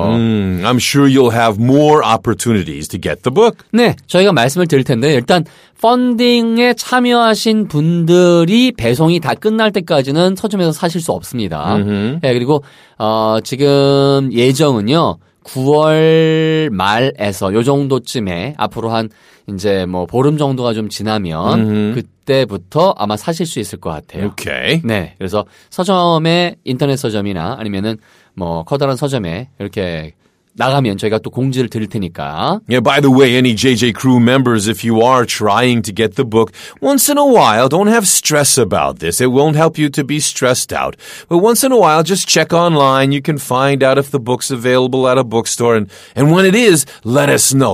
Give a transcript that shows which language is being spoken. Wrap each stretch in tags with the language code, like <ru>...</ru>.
<en>I'm sure you'll have more opportunities to get the book</en> <ko>네 저희가 말씀을 드릴 텐데 일단 펀딩에 참여하신 분들이 배송이 다 끝날 때까지는 서점에서 사실 수 없습니다. 네, 그리고 지금 예정은요. 9월 말에서 요 정도쯤에 앞으로 한 이제 뭐 보름 정도가 좀 지나면 그때부터 아마 사실 수 있을 것 같아요. 오케이. 네. 그래서 서점에 인터넷 서점이나 아니면은 뭐 커다란 서점에 이렇게 나가면 저희가 또 공지를 드릴 테니까.</ko> <en>Yeah, by the way, any JJ crew members, if you are trying to get the book, once in a while, don't have stress about this. It won't help you to be stressed out. But once in a while, just check online. You can find out if the book's available at a bookstore. And when it is, let us know.</en>